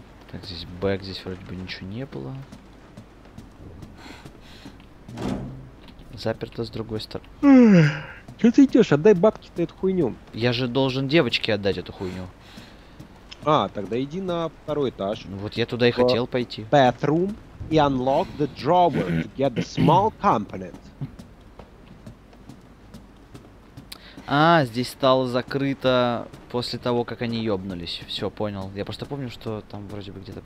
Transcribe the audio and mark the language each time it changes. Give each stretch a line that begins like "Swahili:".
Russian: Так, здесь бэк, здесь вроде бы ничего не было. Заперто с другой стороны. Че ты идешь? Отдай бабки-то эту хуйню. Я же должен девочке отдать эту хуйню. А, тогда иди на второй этаж. Ну вот я туда и хотел пойти.
English: Bathroom.
Russian: И
English: unlock the drawer to get the small component.
Russian: А, здесь стало закрыто после того, как они ёбнулись. Все, понял. Я просто помню, что там вроде бы где-то...